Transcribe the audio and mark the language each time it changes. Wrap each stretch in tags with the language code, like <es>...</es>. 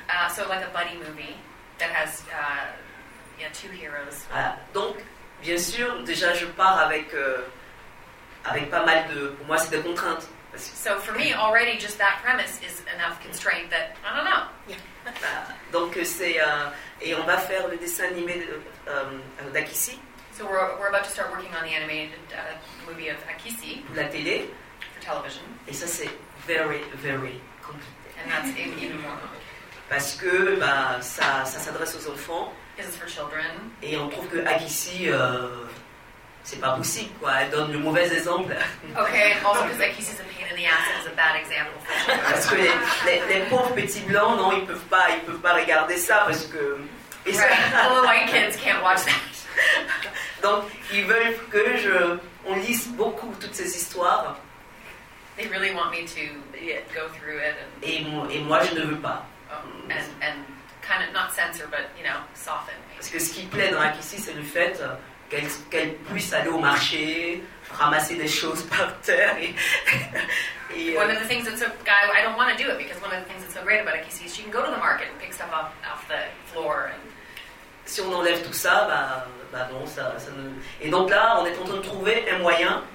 <en>So like a buddy movie that has two heroes.</en> <fr>Donc bien sûr, déjà je pars avec pas mal de, pour moi c'est des contraintes.</fr> <en>So for me already just that premise is enough constraint that I don't know.</en> <fr>Donc c'est et on va faire le dessin animé d'Akissi.</fr> <en>So we're about to start working on the animated movie of Akissi.</en> <fr>Pour la télé.</fr> <en>For television.</en> <fr>Et ça c'est</fr> <en>very very</en> <fr>compliqué.</fr> <en>And that's even more complicated.</en> <fr>Parce que ça s'adresse aux enfants.</fr> <en>Because it's for children.</en> <fr>Et on trouve que Akissi c'est pas possible, quoi. Elle donne le mauvais exemple.</fr> <en>Okay, also because Akissi is a pain in the ass, it's a bad example.</en> <fr>Parce que les pauvres petits blancs, non, ils peuvent pas regarder ça parce que.</fr> <en>Right. All the white kids can't watch that.</en> <fr>Donc ils veulent que on lise beaucoup toutes ces histoires.</fr> <en>They really want me to go through it.</en> <fr>Et moi je ne veux pas.</fr> <en>And kind of not censor, but you know, soften.</en> <fr>Parce que ce qui plaît dans Akissi, c'est le fait qu'elle puisse aller au marché, ramasser des choses par terre.</fr> <en>One of the things that's so, I don't want to do it because one of the things that's so great about Akissi is she can go to the market and pick stuff up off the floor. And...</en> <fr>Si on enlève tout ça, bon, ça ne... Et donc là, on est en train de trouver un moyen.</fr>